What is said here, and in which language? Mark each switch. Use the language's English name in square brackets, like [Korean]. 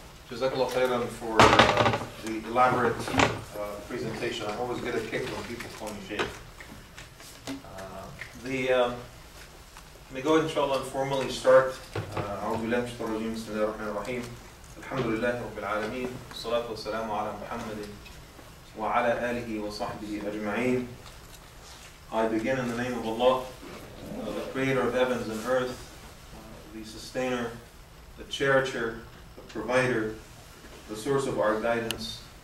[Arabic] جزاك الله خيرا [English] for the elaborate presentation. I always get a kick when people call me Sheikh. Let me go ahead, inshallah, and formally start. [Arabic] أعوذ بالله من الشيطان الرجيم. بسم الله الرحمن الرحيم. الحمد لله رب العالمين. الصلاة والسلام على محمد وعلى آله وصحبه أجمعين. [English] I begin in the name of Allah, the creator of heavens and earth, the sustainer, the cherisher, the provider, the source of our guidance.